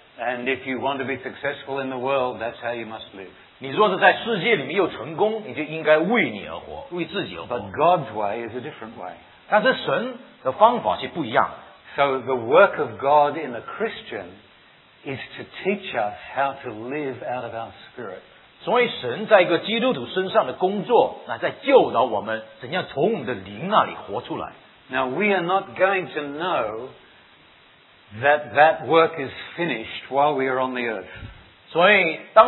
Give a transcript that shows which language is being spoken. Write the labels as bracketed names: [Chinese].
[English] And if you want to be successful in the world, that's how you must live. [Chinese] 你若是在世界里面又成功，你就应该为你而活，为自己而活。 [English] But God's way is a different way. [Chinese] 但是神的方法是不一样。 [English] So the work of God in a Christian is to teach us how to live out of our spirit. [Chinese] 所以神在一个基督徒身上的工作，乃在教导我们怎样从我们的灵那里活出来。 [English] Now we are not going to know that work is finished while we are on the earth.